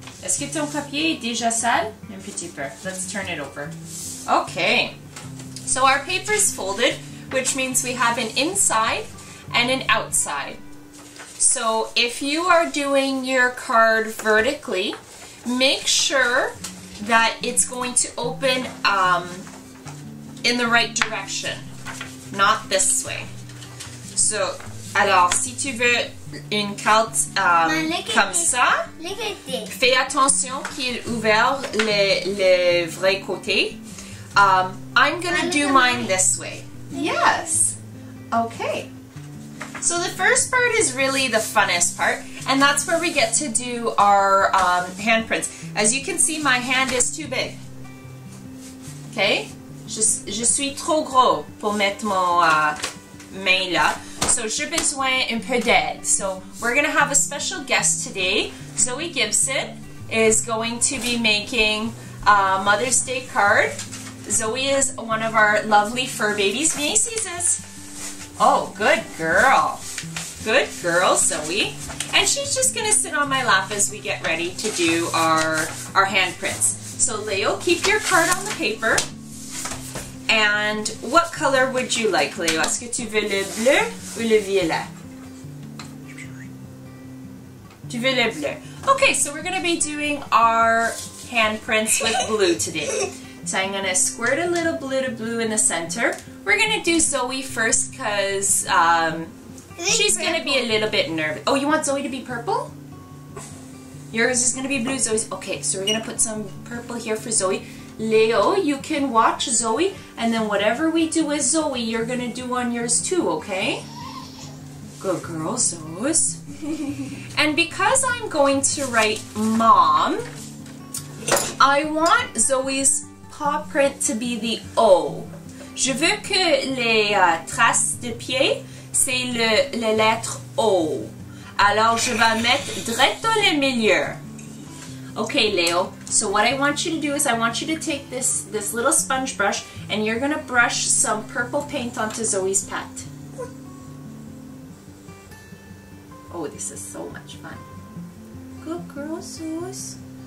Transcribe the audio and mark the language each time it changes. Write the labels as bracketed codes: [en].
[fr] Est-ce que ton papier est déjà sale? Un petit peu. [en] Let's turn it over. Okay. So our paper is folded, which means we have an inside and an outside. So if you are doing your card vertically, make sure that it's going to open in the right direction, not this way. [fr] So, alors, si tu veux... une carte comme ça. Fais attention qu'il ouvre les vrais côtés. [en] I'm gonna do mine this way. Yes. Okay. So the first part is really the funnest part, and that's where we get to do our handprints. As you can see, my hand is too big. Okay? [fr] Je suis trop gros pour mettre mon main là. So, j'ai besoin un peu d'aide. [en] So, we're going to have a special guest today. Zoe Gibson is going to be making a Mother's Day card. Zoe is one of our lovely fur babies. Macy's. Oh, good girl. Good girl, Zoe. And she's just going to sit on my lap as we get ready to do our handprints. So, Leo, keep your card on the paper. And what color would you like, Léo? [fr] Est-ce que tu veux le bleu ou le violet? Tu veux le bleu. [en] Okay, so we're going to be doing our handprints with blue today. So I'm going to squirt a little blue to blue in the center. We're going to do Zoe first because she's going to be a little bit nervous. Oh, you want Zoe to be purple? Yours is going to be blue, Zoe's. Okay, so we're going to put some purple here for Zoe. Leo, you can watch Zoe, and then whatever we do with Zoe, you're going to do on yours too, okay? Good girl, Zoe. And because I'm going to write Mom, I want Zoe's paw print to be the O. [fr] je veux que les traces de pied, c'est la lettre O. Alors, je vais mettre direct dans le milieu. [en] Okay, Leo. So what I want you to do is I want you to take this little sponge brush and you're going to brush some purple paint onto Zoe's pet. Oh, this is so much fun. Good girl, Zeus.